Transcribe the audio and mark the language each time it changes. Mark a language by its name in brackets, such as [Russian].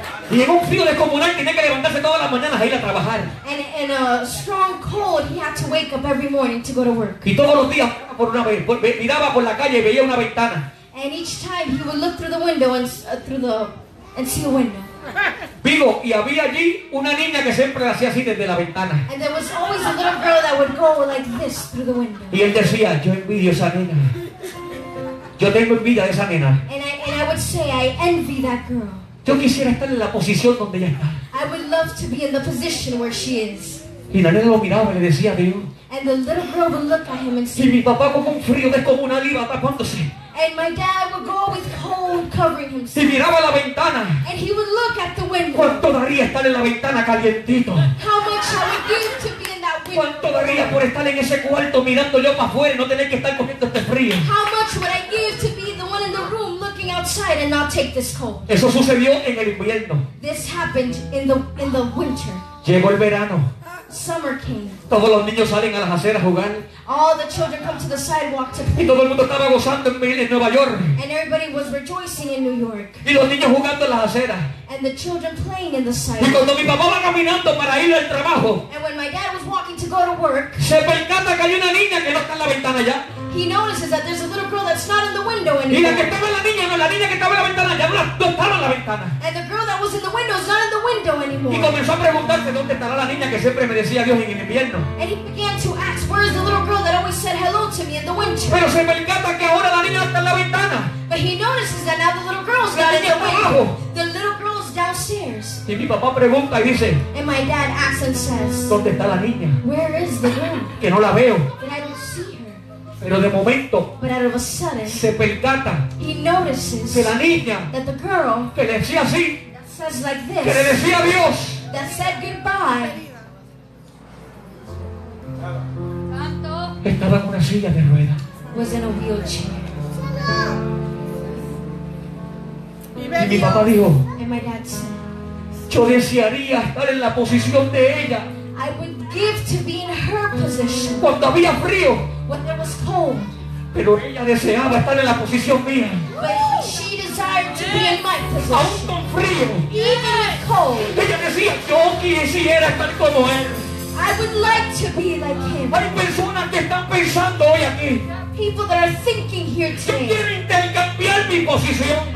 [Spanish] Y en un frío descomunal tiene que levantarse todas las mañanas a ir a trabajar. [English] And in a strong cold he had to wake up every morning to go to work. [Spanish] Y todos los días por una vez miraba por la calle y veía una ventana. [English] And each time he would look through the window and see a window. [Spanish] Vivo, y había allí una niña que siempre hacía así desde la ventana. [English] And there was always a little girl that would go like this through the window. [Spanish] Y él decía, yo envidio esa nena. Yo tengo envidia de esa nena. [English] And I would say, I envy that girl. [Spanish] Yo quisiera estar en la posición donde ella está. [English] I would love to be in the position where she is. [Spanish] Y la nena lo miraba y le decía, Dios. [English] And the little girl would look at him and say, [Spanish] y mi papá con un frío descomunal iba tapándose. [English] And my dad would go with cold covering himself. [Spanish] Y miraba la ventana. [English] And he would look at the window. [Spanish] ¿Cuánto daría estar en la ventana calientito? [English] How much I would give to be in that window. [Spanish] ¿Cuánto daría por estar en ese cuarto mirando yo para afuera y no tener que estar cogiendo este frío? [English] How much would I give to be the one in the room looking outside and not take this cold? [Spanish] Eso sucedió en el invierno. [English] This happened in the winter. [Spanish] Llegó el verano. [English] Summer came. [Spanish] Todos los niños salen a las aceras a jugar. [English] All the children come to the sidewalk to play. [Spanish] Y todo el mundo estaba gozando en Nueva York. [English] And everybody was rejoicing in New York. [Spanish] Y los niños jugando en las aceras. [English] And the children playing in the sidewalk. [Spanish] Y cuando mi papá va caminando para ir al trabajo. [English] And when my dad was walking to go to work. [Spanish] Se percata que hay una niña que no está en la ventana ya. [English] He notices that there's a little girl that's not in the window anymore. [Spanish] Y la que estaba en la niña, no, la niña que estaba en la ventana ya no estaba en la ventana. [English] And the girl that was in the window is not in the window anymore. [Spanish] Y comenzó a preguntarse dónde estará la niña que siempre me decía Dios en el invierno. [English] And he began to ask, where is the little girl that always said hello to me in the winter? [Spanish] Pero se percata que ahora la niña está en la ventana. [English] But he notices that now the little girl's not in the window. The little girl's downstairs. [Spanish] Y mi papá pregunta y dice, [English] and my dad asks and says, [Spanish] ¿dónde está la niña? [English] Where is the girl? [Spanish] Que no la veo. [English] But I don't see her. [Spanish] Pero de momento, [English] but out of a sudden, [Spanish] se percata, [English] he notices [Spanish] que la niña, [English] that the girl, [Spanish] que le decía así, [English] that says like this, [Spanish] que le decía adiós, [English] that said goodbye, [Spanish] estaba en una silla de ruedas, [English] was in a wheelchair. [Spanish] Y mi papá dijo, [English] and my dad said, [Spanish] yo desearía estar en la posición de ella. [English] I would give to be in her position. [Spanish] Cuando había frío. [English] When there was cold. [Spanish] Pero ella deseaba estar en la posición mía. [English] But she desired to be in my position. [Spanish] Aún con frío. [English] Even with cold. [Spanish] Ella decía, yo quisiera estar como él. [English] I would like to be like him. [Spanish] Hay personas que están pensando hoy aquí. [English] People that are thinking here today. [Spanish] Yo quiero intercambiar mi posición.